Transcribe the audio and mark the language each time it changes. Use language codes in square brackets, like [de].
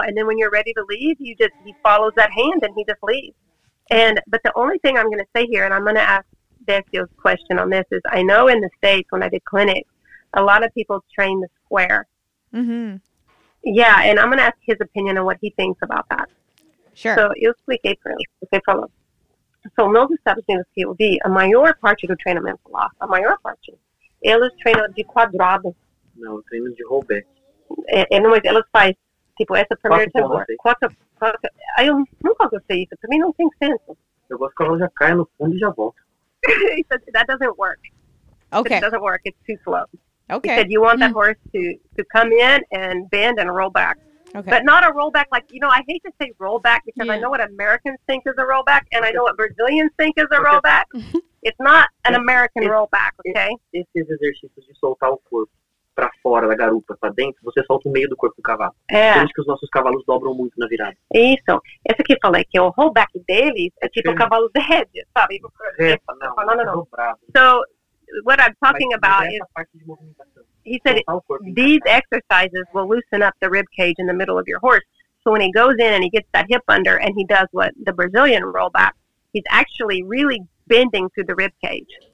[en] And then when you're ready to leave, he follows that hand and he just leaves. But the only thing I'm going to say here, and I'm going to ask Bessio's question on this, is I know in the States when I did clinics, a lot of people train the square. Mm-hmm. Yeah, and I'm going to ask his opinion on what he thinks about that. Sure. [pt] So, eu expliquei para ele. Você falou. So, nos Estados Unidos, que eu vi, a maior parte do treinamento lá, a maior parte, eles treinam de quadrado. Não, treinam de rollback. Não, mas eles fazem, tipo, essa primeira tambor. Eu nunca gostei disso. Para mim, não tem senso. Eu gosto quando ela já cai no fundo e já volta. [en] That doesn't work. Okay. It doesn't work. It's too slow. Okay. He said, you want that horse to come in and bend and roll back. Okay. But not a roll back like, you know, I hate to say roll back because I know what Americans think is a roll back and I know what Brazilians think is a roll back. It's not an American roll back, okay? [pt] Esses exercícios de soltar o corpo pra fora da garupa, pra dentro, você solta o meio do corpo do cavalo. É. Por isso que os nossos cavalos dobram muito na virada. Isso. Esse aqui eu falei que o roll back deles é tipo o cavalo de rede, sabe? Não. [en] So, what I'm talking about is, he said, these exercises will loosen up the rib cage in the middle of your horse. So when he goes in and he gets that hip under and he does what the Brazilian roll back, he's actually really bending through the rib cage.